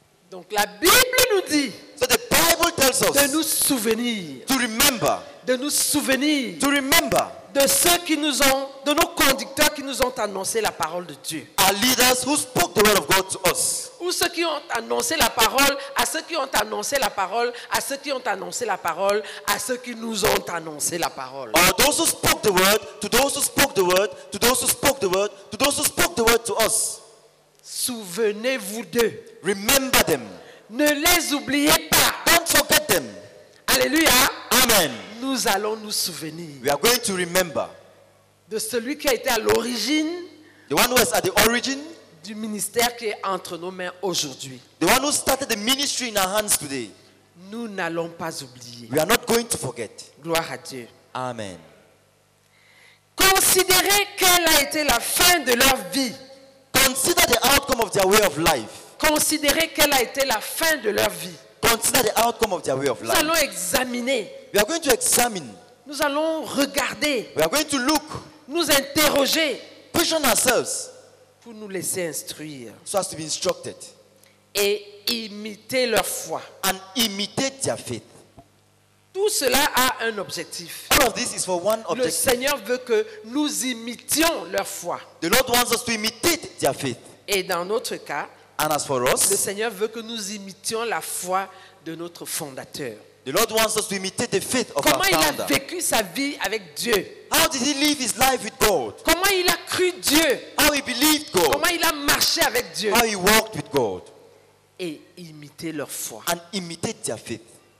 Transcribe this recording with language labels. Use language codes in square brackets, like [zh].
[fr] Donc la Bible nous dit de nous souvenir, de nous souvenir de ceux qui nous ont, de nos conducteurs qui nous ont annoncé la parole de Dieu. [en] Our leaders who spoke the word of God to us. [fr] Ou ceux qui ont annoncé la parole à ceux qui ont annoncé la parole à ceux qui ont annoncé la parole à ceux qui nous ont annoncé la parole. [en] Or those who spoke the word to those who spoke the word to those who spoke the word to those who spoke the word to us. [fr] Souvenez-vous d'eux. [en] Remember them. [fr] Ne les oubliez pas. [en] Don't forget them. [fr] Alléluia. [en] Amen. [fr] Nous allons nous souvenir. [en] We are going to remember. [fr] De celui qui a été à l'origine. [en] The one who was at the origin. [fr] Du ministère qui est entre nos mains aujourd'hui. [en] The one who started the ministry in our hands today. [fr] Nous n'allons pas oublier. [en] We are not going to forget. [fr] Gloire à Dieu. [en] Amen. [fr] Considérez quelle a été la fin de leur vie. [en] Consider the outcome of their way of life. [fr] Considérez quelle a été la fin de leur vie. [en] Consider the outcome of their way of life. [fr] Nous allons examiner. [en] We are going to examine. [fr] Nous allons regarder. [en] We are going to look. [fr] Nous interroger. [en] Question ourselves. [fr] Pour nous laisser instruire. [en] So as to be instructed. [fr] Et imiter leur foi. [en] And imitate their faith. [fr] Tout cela a un objectif. [en] All of this is for one objective. [fr] Le Seigneur veut que nous imitions leur foi. [en] The Lord wants us to imitate their faith. [fr] Et dans notre cas, [en] and as for us, [fr] le Seigneur veut que nous imitions la foi de notre fondateur. [en] The Lord wants us to imitate the faith of [fr] comment [en] our [fr] il [en] founder. [fr] A vécu sa vie avec Dieu? [en] How did he live his life with God? [fr] Comment il a cru Dieu? [en] How he believed God? [fr] Comment il a marché avec Dieu? [en] How he walked with God? [fr] Et imiter leur foi. [en] And imitate their faith.